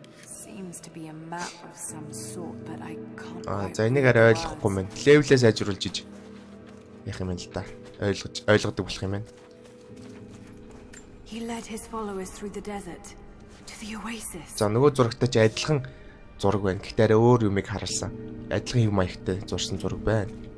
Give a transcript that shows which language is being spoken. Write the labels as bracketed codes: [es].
[en] Seems to be a map of some sort but I can't. [mn] Аа, за энийг арай ойлгохгүй мэн. Левлээ сайжруулж ийж яах юм байна л да. Ойлгодог болох юм байна. [en] He led his followers through the desert. [mn] За нөгөө зурагтай ч адилхан зураг байна. Гэхдээ арай өөр юмыг харуулсан. Адилхан юм аягтай зурсан зураг байна.